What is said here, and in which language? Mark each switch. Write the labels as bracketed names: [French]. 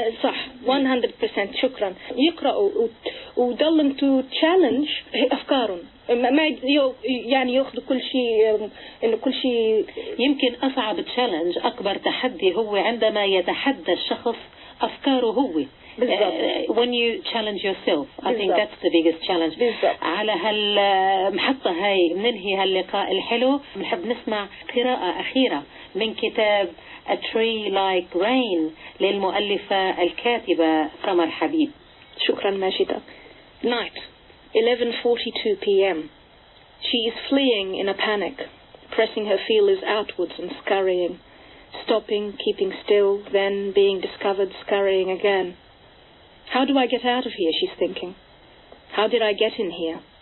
[Arabic] صح 100%. شكرا. يقرأوا وضلن [English] to challenge [Arabic] أفكارهم, ما يعني يأخذوا كل شيء إنه كل شيء. يمكن أصعب تشالنج, أكبر تحدي هو عندما يتحدى الشخص أفكاره هو. بالضبط. [English] When you challenge yourself, I think that's the biggest challenge. [Arabic] بالضبط. على هالمحطة هاي ننهي هاللقاء الحلو. نحب نسمع قراءة أخيرة من كتاب A Tree Like Rain للمؤلفة الكاتبة سمر حبيب. شكرا [English] ماجدة. Night. 11:42 p.m. She is fleeing in a panic, pressing her feelers outwards and scurrying, stopping, keeping still, then being discovered scurrying again. How do I get out of here? She's thinking. How did I get in here?